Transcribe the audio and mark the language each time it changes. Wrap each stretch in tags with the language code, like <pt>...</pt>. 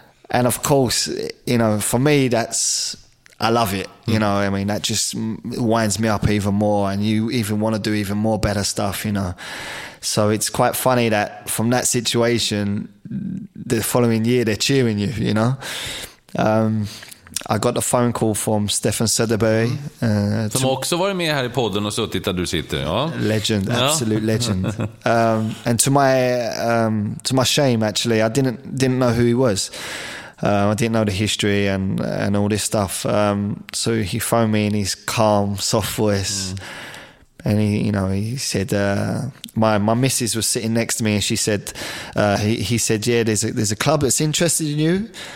<en>And of course, you know, for me, that's... I love it, you know. I mean, that just winds me up even more, and you even want to do even more better stuff, you know. So it's quite funny that from that situation, the following year they're cheering you, you know. I got a phone call from Stefan Söderberg,</en> <sv>som också varit med här i podden och suttit där du sitter, ja.</sv> <en>Legend, absolute legend. And to my shame, actually, I didn't know who he was. I didn't know the history and all this stuff. So he phoned me in his calm, soft voice. And he said, my missus was sitting next to me and she said, he said, yeah, there's a club that's interested in you.</en>